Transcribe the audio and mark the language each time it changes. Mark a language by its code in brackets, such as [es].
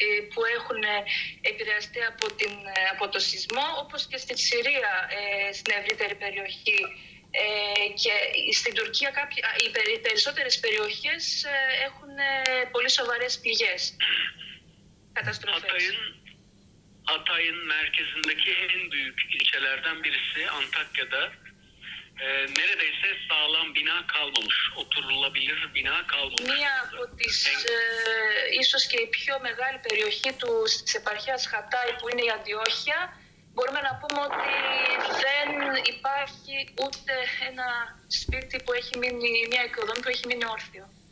[el] Που έχουν επηρεαστεί από το σεισμό, όπως και στη Συρία, στην ευρύτερη περιοχή. Και στην Τουρκία οι περισσότερες περιοχές έχουν πολύ σοβαρές πληγές, καταστροφές. [tr] Hatay'ın merkezindeki en büyük ilçelerden birisi Antakya'da neredeyse sağlam bina kalmamış, oturulabilir bina kalmamış. [el] Μία από τις ίσως και η πιο μεγάλη περιοχή της επαρχίας Χατάι, που είναι η Αντιόχεια, μπορούμε να πούμε ότι δεν υπάρχει ούτε ένα σπίτι που έχει μείνει, μια οικοδό που έχει μείνει όρθιο.